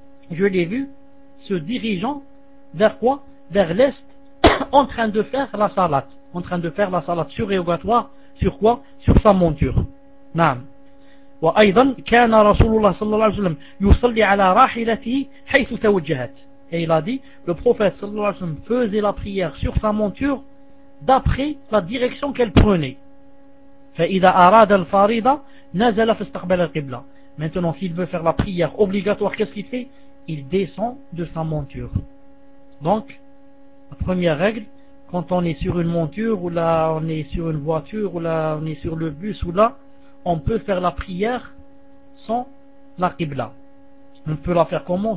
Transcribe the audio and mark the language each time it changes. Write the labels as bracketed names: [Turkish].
[French] je l'ai vu se dirigeant vers quoi vers l'est en train de faire la salat en train de faire la salat surérogatoire sur quoi sur sa monture [Arabic] نعم وأيضا كان رسول الله صلى الله عليه وسلم يصلي على راحلته حيث توجهت. [French] Et il a dit, le prophète [Arabic] صلى الله عليه وسلم [French] faisait la prière sur sa monture d'après la direction qu'elle prenait. [Arabic] فإذا أراد الفريضة نزل في استقبال القبلة. [French] Maintenant, s'il veut faire la prière obligatoire, qu'est-ce qu'il fait? Il descend de sa monture. Donc, la première règle, quand on est sur une monture ou là on est sur une voiture ou là on est sur le bus ou là. On peut faire la prière sans la qibla. On peut la faire comment?